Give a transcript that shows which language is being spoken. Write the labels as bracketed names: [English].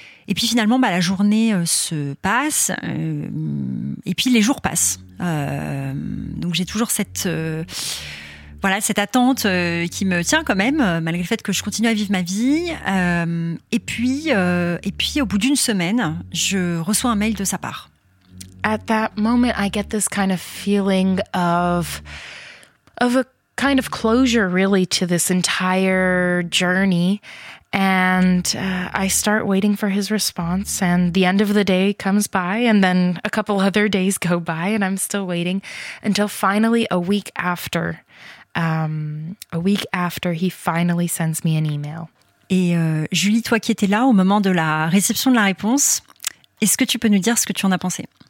[French] Et puis finalement, la journée se passe, et puis les jours passent. Donc j'ai toujours cette attente qui me tient quand même, malgré le fait que je continue à vivre ma vie. Et puis au bout d'une semaine, je reçois un mail de sa part. [English] At that moment, I get this kind of feeling of a kind of closure, really, to this entire journey. And I start waiting for his response, and the end of the day comes by, and then a couple other days go by, and I'm still waiting until finally a week after he finally sends me an email. [French] Et Julie, toi qui étais là au moment de la réception de la réponse, est-ce que tu peux nous dire ce que tu en as pensé?